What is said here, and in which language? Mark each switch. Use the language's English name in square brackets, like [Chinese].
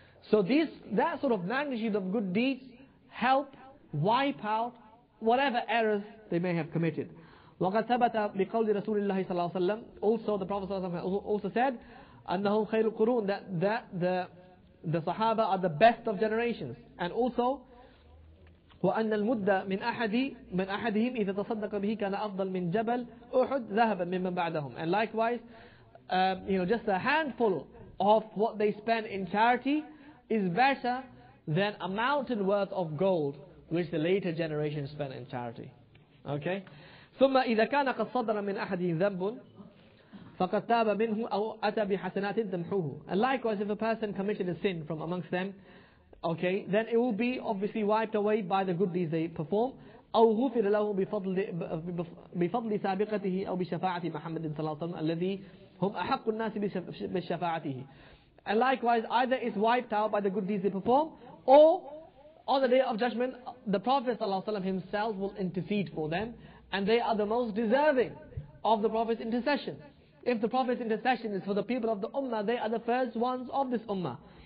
[English] So that sort of magnitude of good deeds help wipe out whatever errors they may have committed. [Arabic] وَقَدْ ثَبَتَ بِقَوْلِ رَسُولِ اللَّهِ صَلَّى اللَّهُ عَلَيْهِ وَسَلَّمَ. [English] Also the Prophet also said, [Arabic] أَنَّهُ خَيْرُ الْقُرُونَ, [English] that the Sahaba are the best of generations. And also, [Arabic] وَأَنَّ الْمُدَّ مِنْ أَحَدِهِمْ إِذَا تَصَدَّقَ بِهِ كَانَ أَفْضَلٌ مِنْ جَبَلْ أُحُدْ ذَهَبًا مِمَّنْ بَعْدَهُمْ. [English] And likewise, just a handful of what they spend in charity is better than a mountain worth of gold which the later generation spent in charity. Okay? [Arabic] ثُمَّ إِذَا كَانَ قَدْ صَدَّرَ مِنْ أَحَدِهِمْ ذَنْبٌ فَقَدْ تَابَ مِنْهُ أَوْ أَتَى بِحَسَنَاتٍ تَمْحُوهُ. [English] And likewise, if a person committed a sin from amongst them, okay, then it will be obviously wiped away by the good deeds they perform. [Arabic] أو غفر له بفضل سابقته أو بشفاعة محمد صلى الله عليه وسلم الذي هم أحق الناس بشفاعته. [English] And likewise, either is wiped out by the good deeds they perform, or on the day of judgment, the Prophet ﷺ himself will intercede for them, and they are the most deserving of the Prophet's intercession. If the Prophet's intercession is for the people of the Ummah, they are the first ones of this Ummah.